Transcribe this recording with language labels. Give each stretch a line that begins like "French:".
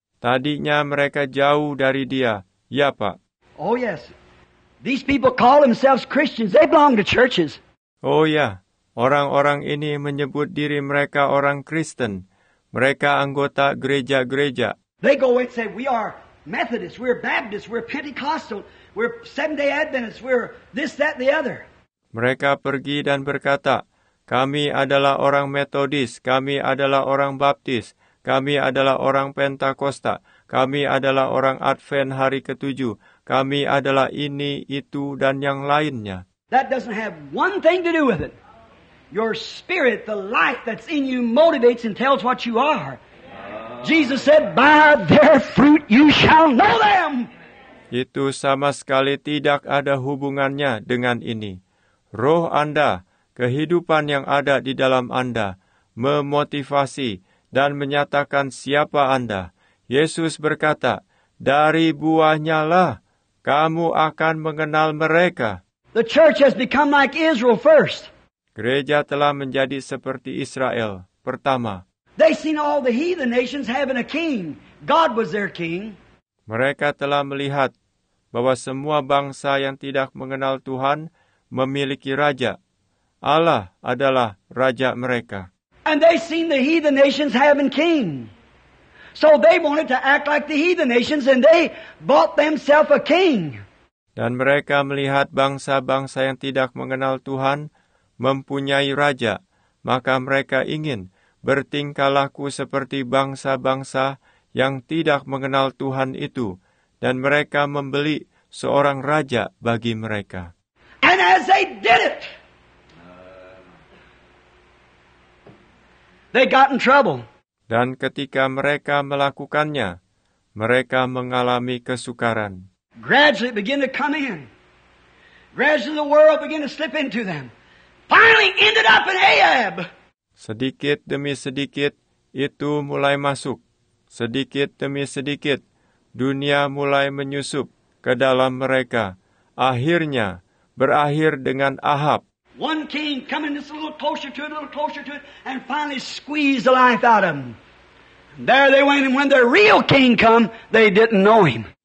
Indonesian: Tadinya mereka jauh dari dia. Ya, Pak.
English: Oh, yes. These people call themselves Christians. They belong to churches.
Indonesian: Oh, ya. Orang-orang ini menyebut diri mereka orang Kristen. Mereka anggota gereja-gereja.
English: They go and say, we are Methodist, we're Baptist, we're Pentecostal, we're Seventh-day Adventist, we're this, that, the other.
Indonesian: Mereka pergi dan berkata, kami adalah orang Metodis, kami adalah orang Baptis, kami adalah orang Pentakosta, kami adalah orang Advent hari ketujuh, kami adalah ini, itu, dan yang lainnya.
English: That doesn't have one thing to do with it. Your spirit, the life that's in you, motivates and tells what you are. Jesus said, by their fruit you shall know them.
Indonesian: Itu sama sekali tidak ada hubungannya dengan ini. Roh Anda, kehidupan yang ada di dalam Anda, memotivasi dan menyatakan siapa Anda. Yesus berkata, dari buahnya lah kamu akan mengenal mereka.
English: The church has become like Israel first.
Indonesian: Gereja telah menjadi seperti Israel pertama.
English: They seen all the heathen nations having a king. God was their king.
Indonesian: Mereka telah melihat bahwa semua bangsa yang tidak mengenal Tuhan memiliki raja. Allah adalah raja mereka.
English: And they seen the heathen nations having king. So they wanted to act like the heathen nations and they bought themselves a king.
Indonesian: Dan mereka melihat bangsa-bangsa yang tidak mengenal Tuhan mempunyai raja, maka mereka ingin bertingkah laku seperti bangsa-bangsa yang tidak mengenal Tuhan itu, dan mereka membeli seorang raja bagi mereka.
English: And as they did it, they got in trouble.
Indonesian: Dan ketika mereka melakukannya, mereka mengalami kesukaran.
English: Gradually begin to come in. Gradually the world begin to slip into them. Finally ended up in Ahab.
Indonesian: Sedikit demi sedikit, itu mulai masuk. Sedikit demi sedikit, dunia mulai menyusup ke dalam mereka. Akhirnya, berakhir dengan Ahab.
English: One king coming just a little closer to it, and finally squeezed the life out of him. There they went, and when their real king come, they didn't know him.